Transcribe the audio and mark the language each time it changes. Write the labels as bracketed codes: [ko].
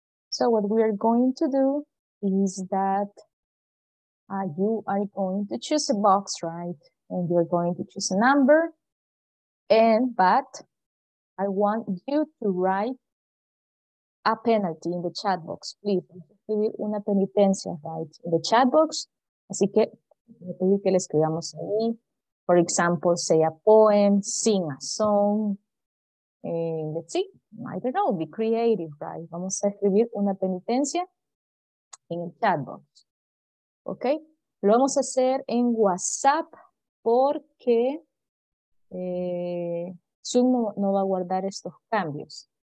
[en] So what we are going to do is that you are going to choose a box, right? And you're going to choose a number. But I want you to write a penalty in the chat box, please. [es] Escribir una penitencia, [en] right, in the chat box. [es] Así que, voy a pedir que le escribamos ahí. [en] For example, say a poem, sing a song. And let's see, I don't know, be creative, right? [es] Vamos a escribir una penitencia en el chat box. Ok, lo vamos a hacer en WhatsApp porque Zoom no va a guardar estos cambios.